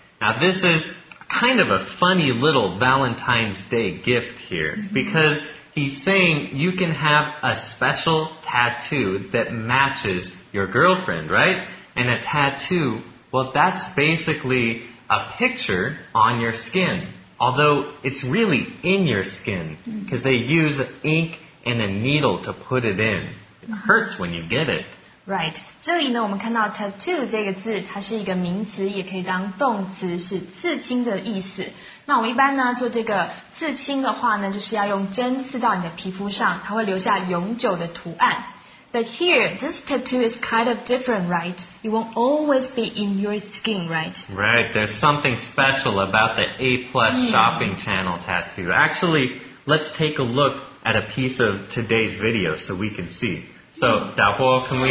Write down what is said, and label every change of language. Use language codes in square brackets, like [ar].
[en] Now, this is kind of a funny little Valentine's Day gift here, because he's saying you can have a special tattoo that matches your girlfriend, right? And a tattoo, well, that's basically a picture on your skin, although it's really in your skin, because they use ink,and a needle to put it in. It hurts when you get it. Right. [zh] 这里呢我们看到 tattoo 这个字它是一个名词也可以当动词是刺青的意思。那我们一般呢做这个刺青的话呢就是要用针刺到你的皮肤上它会留下永久的图案。 [en] But here, this tattoo is kind of different, right? It won't always be in your skin, right? Right. There's something special about the A-plus shopping channel tattoo. Actually, let's take a lookat a piece of today's video so we can see. So, Daohuo, can we...